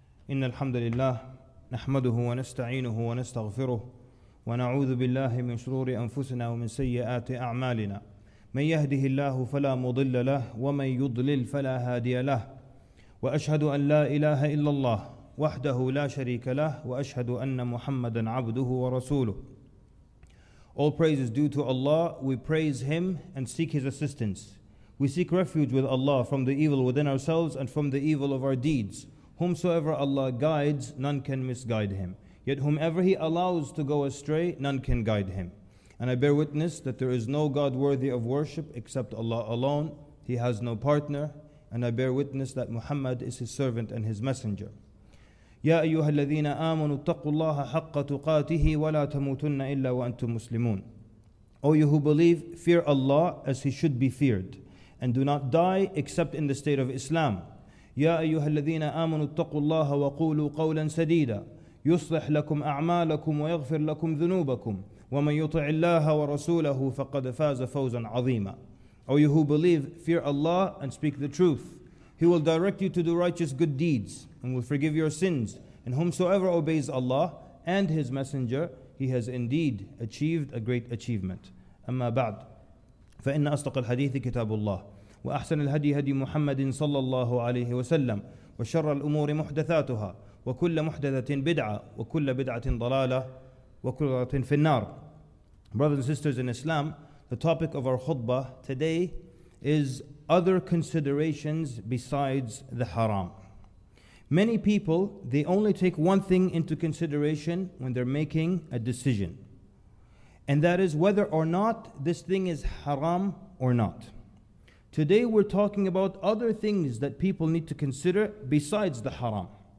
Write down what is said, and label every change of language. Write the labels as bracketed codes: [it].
[ar] إن الحمد لله نحمده ونستعينه ونستغفره ونعوذ بالله من شرور أنفسنا ومن سيئات أعمالنا. من يهده الله فلا مضل له ومن يضلل فلا هادي له. وأشهد أن لا إله إلا الله وحده لا شريك له وأشهد أن محمدا عبده ورسوله. [en] All praise is due to Allah. We praise Him and seek His assistance. We seek refuge with Allah from the evil within ourselves and from the evil of our deeds. Whomsoever Allah guides, none can misguide him. Yet whomever He allows to go astray, none can guide him. And I bear witness that there is no God worthy of worship except Allah alone. He has no partner. And I bear witness that Muhammad is His servant and His messenger. [ar] يَا أَيُّهَا الَّذِينَ آمَنُوا اتَّقُوا اللَّهَ حَقَّ تُقَاتِهِ وَلَا تَمُوتُنَّ إِلَّا وَأَنْتُمْ مُسْلِمُونَ [en] O you who believe, fear Allah as He should be feared, and do not die except in the state of Islam. [ar] يَا أَيُّهَا الَّذِينَ آمَنُوا اتَّقُوا اللَّهَ وَقُولُوا قَوْلًا سَدِيدًا يُصْلِحْ لَكُمْ أَعْمَالَكُمْ وَيَغْفِرْ لَكُمْ ذُنُوبَكُمْ وَمَنْ يُطِعِ اللَّهَ وَرَسُولَهُ فَقَدْ فَازَ فَوْزًا عَظِيمًا [en] O you who believe, fear Allah and speak the truth. He will direct you to do righteous good deeds and will forgive your sins. And whomsoever obeys Allah and His Messenger, he has indeed achieved a great achievement. [ar] أما بعد فإن أصدق الحديث كتاب الله وأحسن الهدي هدي محمد صلى الله عليه وسلم وشر الأمور محدثاتها وكل محدثة بدعة وكل بدعة ضلالة وكل ضلالة في النار [en] Brothers and sisters in Islam, the topic of our khutbah today is other considerations besides the haram. Many people, they only take one thing into consideration when they're making a decision. And that is whether or not this thing is haram or not. Today we're talking about other things that people need to consider besides the haram.